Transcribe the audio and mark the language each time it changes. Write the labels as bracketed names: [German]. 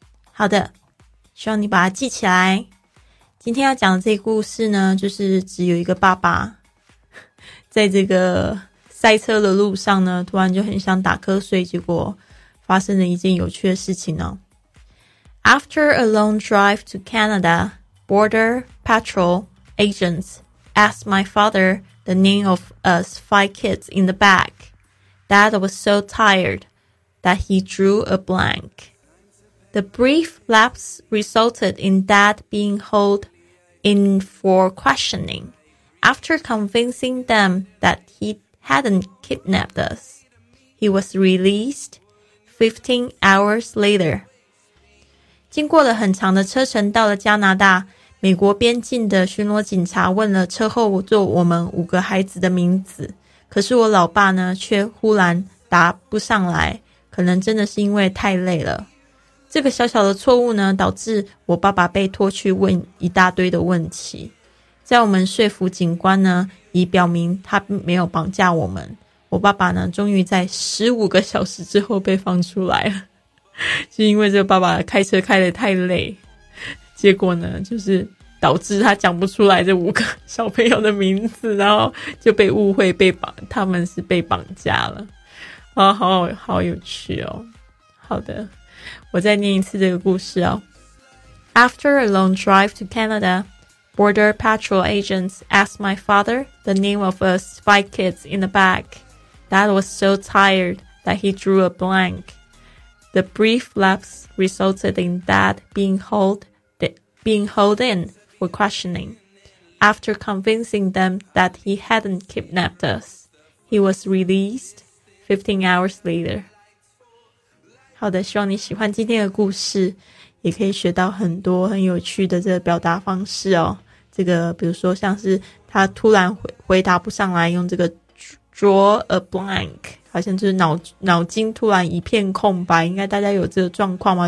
[Chinese] 好的，希望你把它记起来。今天要讲的这个故事呢，就是只有一个爸爸在这个赛车的路上呢，突然就很想打瞌睡，结果发生了一件有趣的事情呢。 [English] After a long drive to Canada, border patrol agents asked my father the name of us five kids in the back. Dad was so tired that he drew a blank. The brief lapse resulted in Dad being hauled in for questioning. After convincing them that he hadn't kidnapped us, he was released 15 hours later. [Chinese] 经过了很长的车程到了加拿大，美国边境的巡逻警察问了车后座我们五个孩子的名字，可是我老爸呢却忽然答不上来，可能真的是因为太累了。这个小小的错误呢，导致我爸爸被拖去问一大堆的问题。在我们说服警官呢，以表明他没有绑架我们，我爸爸呢终于在15个小时之后被放出来了。是因为这个爸爸开车开得太累，结果呢就是导致他讲不出来这五个小朋友的名字，然后就被误会被绑，他们是被绑架了。啊，好有趣哦。好的，我再念一次这个故事哦。 [English] After a long drive to Canada, border patrol agents asked my father the name of us five kids in the back. Dad was so tired that he drew a blank. The brief lapse resulted in Dad being held in for questioning. After convincing them that he hadn't kidnapped us, he was released 15 hours later. [Chinese] 好的，希望你喜欢今天的故事，也可以学到很多很有趣的这个表达方式哦。这个比如说像是他突然 回答不上来，用这个 [English] draw a blank， [Chinese] 好像就是 脑筋突然一片空白，应该大家有这个状况吗？